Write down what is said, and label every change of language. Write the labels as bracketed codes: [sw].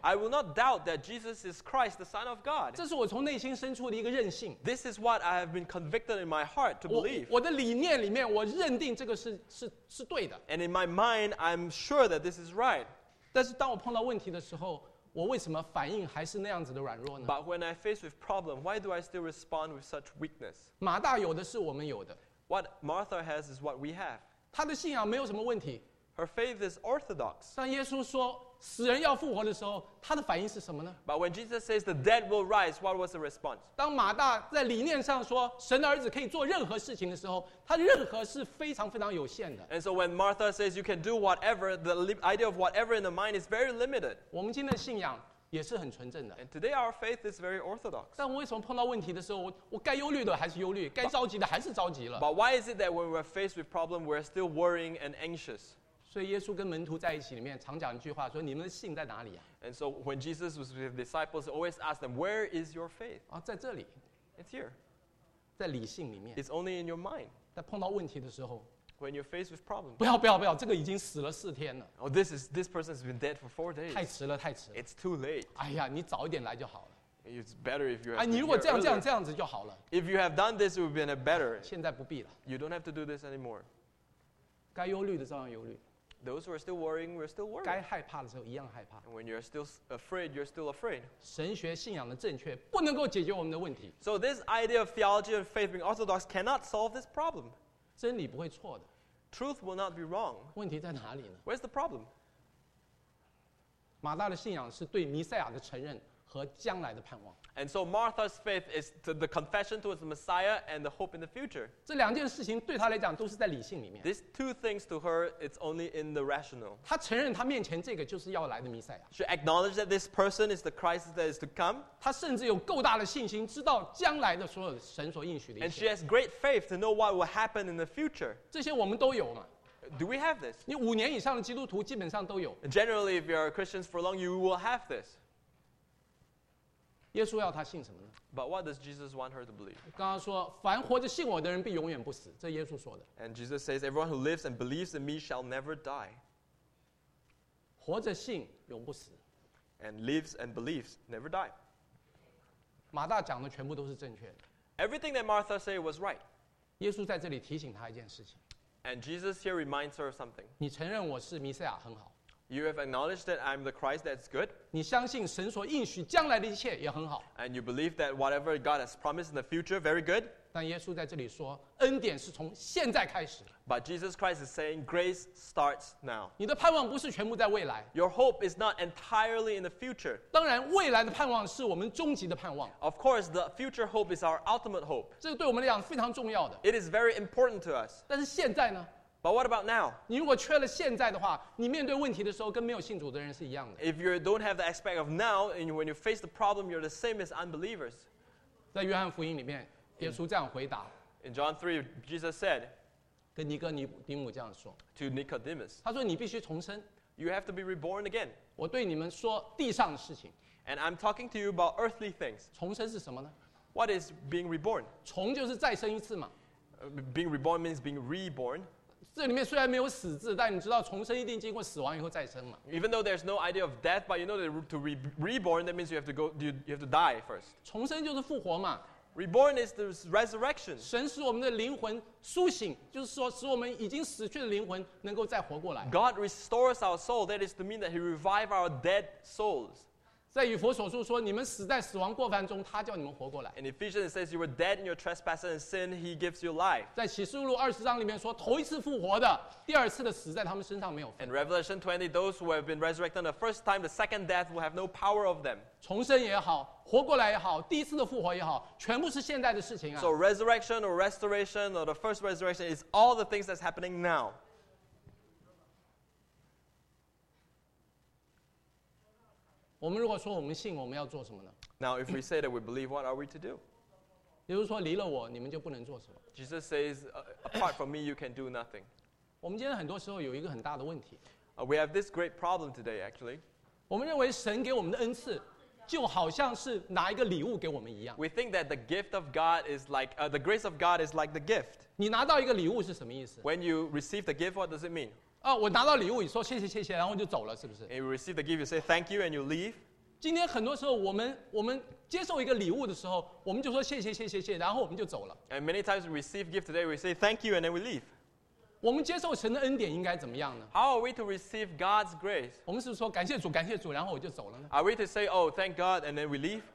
[en] I will not doubt that Jesus is Christ, the Son of God. [zh] 这是我从内心深处的一个任性。 [en] This is what I have been convicted in my heart to believe. [zh] 我的理念里面，我认定这个是对的。 [en] And in my mind, I'm sure that this is right. [zh] 但是当我碰到问题的时候，我为什么反应还是那样子的软弱呢 [en] ？But when I face with problem, why do I still respond with such weakness? [zh] 马大有的是我们有的。 [en] What Martha has is what we have. [zh] 他的信仰没有什么问题。 [en] Her faith is orthodox. [zh] 当耶稣说死人要复活的时候，他的反应是什么呢 [en] ？But when Jesus says the dead will rise, what was the response? [zh] 当马大在理念上说神的儿子可以做任何事情的时候，他任何是非常非常有限的。 [en] And so when Martha says you can do whatever, the idea of whatever in the mind is very limited. [zh] 我们今天的信仰也是很纯正的。 [en] And today our faith is very orthodox. [zh] 但我为什么碰到问题的时候，我该忧虑的还是忧虑，该着急的还是着急了 [en] ？But why is it that when we're faced with problem, we're still worrying and anxious? [zh] 所以耶稣跟门徒在一起里面常讲一句话说你们的信在哪里啊 [en] And so when Jesus was with his disciples, he always asked them, where is your faith? [zh] 啊，在这里。 [en] It's here. [zh] 在理性里面。 [en] It's only in your mind. [zh] 在碰到问题的时候。 [en] When you're faced with problems. [zh] 不要不要不要，这个已经死了四天了。 [en] Oh, this person has been dead for 4 days. [zh] 太迟了太迟了。 [en] It's too late. [zh] 哎呀，你早一点来就好了。 [en] It's better if you have. [zh] 你如果这样子就好了。 [en] If you have done this, it would have been better. [zh] 现在不必了。 [en] You don't have to do this anymore. [zh] 该忧虑的照样忧虑。 [en] Those who are still worrying, we're still worried. [zh] 该害怕的时候一样害怕。 [en] When you're still afraid, you're still afraid. [zh] 神学信仰的正确不能够解决我们的问题。 [en] So this idea of theology and faith being orthodox cannot solve this problem. [zh] 真理不会错的。 [en] Truth will not be wrong. [zh] 问题在哪里呢 [en] ？Where's the problem? [zh] 马大的信仰是对弥赛亚的承认和将来的盼望。 [en] And so Martha's faith is to the confession towards the Messiah and the hope in the future. [zh] 这两件事情对她来讲都是在理性里面。 [en] These two things to her, it's only in the rational. [zh] 她承认她面前这个就是要来的弥赛亚。 [en] She acknowledged that this person is the Christ that is to come. [zh] 她甚至有够大的信心知道将来的所有神所应许的。 [en] And she has great faith to know what will happen in the future. [zh] 这些我们都有嘛。 [en] Do we have this? [zh] 你五年以上的基督徒基本上都有。 [en] Generally, if you are Christians for long, you will have this. [zh] 耶稣要他信什么呢 [en] ？But what does Jesus want her to believe? [zh] 刚刚说，凡活着信我的人必永远不死，这耶稣说的。 [en] And Jesus says, everyone who lives and believes in me shall never die. [zh] 活着信永不死。 [en] And lives and believes never die. [zh] 马大讲的全部都是正确的。 [en] Everything that Martha said was right. [zh] 耶稣在这里提醒他一件事情。 [en] And Jesus here reminds her of something. [zh] 你承认我是弥赛亚很好。 [en] You have acknowledged that I'm the Christ, that's good. [zh] 你相信神所应许将来的一切也很好。 [en] And you believe that whatever God has promised in the future, very good. [zh] 但耶稣在这里说，恩典是从现在开始。 [en] But Jesus Christ is saying grace starts now. [zh] 你的盼望不是全部在未来。 [en] Your hope is not entirely in the future. [zh] 当然，未来的盼望是我们终极的盼望。 [en] Of course, the future hope is our ultimate hope. [zh] 这个对我们来讲非常重要的。 [en] It is very important to us. [zh] 但是现在呢？ [en] But what about now? [zh] 你如果缺了现在的话，你面对问题的时候跟没有信主的人是一样的。 [en] If you don't have the aspect of now, and when you face the problem, you're the same as unbelievers. [zh] 在约翰福音里面，耶稣这样回答。 [en] In John 3, Jesus said, [zh] 跟尼哥底母这样说。 [en] To Nicodemus. [zh] 他说你必须重生。 [en] You have to be reborn again. [zh] 我对你们说地上的事情。 [en] And I'm talking to you about earthly things. [zh] 重生是什么呢 [en] ？What is being reborn? [zh] 重就是再生一次嘛。 [en] Being reborn means being reborn. [zh] 这里面虽然没有死字，但你知道重生一定经过死亡以后再生嘛 [en] ？Even though there's no idea of death, but you know that to be reborn, that means you have to go, you have to die first. [zh] 重生就是复活嘛 [en] ？Reborn is the resurrection. [zh] 神使我们的灵魂苏醒，就是说使我们已经死去的灵魂能够再活过来。 [en] God restores our soul. That is to mean that He revives our dead souls. [zh] 在以弗所书说，你们死在死亡过犯中，他叫你们活过来。 [en] In Ephesians it says you were dead in your trespasses and sin, he gives you life. [zh] 在启示录二十章里面说，头一次复活的，第二次的死在他们身上没有。 [en] In Revelation 20, those who have been resurrected the first time, the second death will have no power of them. [zh] 重生也好，活过来也好，第一次的复活也好，全部是现在的事情啊。 [en] So resurrection or restoration or the first resurrection is all the things that's happening now. [zh] 我们如果说我们信，我们要做什么呢 [en] ？Now, if we say that we believe, what are we to do? [zh] 比如说，离了我，你们就不能做什么。 [en] Jesus says, apart from me, you can do nothing. [zh] 我们今天很多时候有一个很大的问题。 [en] We have this great problem today, actually. [zh] 我们认为神给我们的恩赐，就好像是拿一个礼物给我们一样。 [en] We think that the gift of God is like, the grace of God is like the gift. [zh] 你拿到一个礼物是什么意思 [en] ？When you receive the gift, what does it mean? [zh] 啊、我拿到礼物你说谢谢谢谢然后就走了是不是 [en] You receive the gift, you say thank you and you leave [zh] 今天很多时候我们接受一个礼物的时候我们就说谢谢谢谢谢然后我们就走了 [en] And many times we receive gift today, we say thank you and then we leave [zh] 我们接受神的恩典应该怎么样呢 [en] How are we to receive God's grace? [zh] 我们是说感谢主感谢主然后我就走了呢 [en] Are we to say, oh, thank God and then we leave?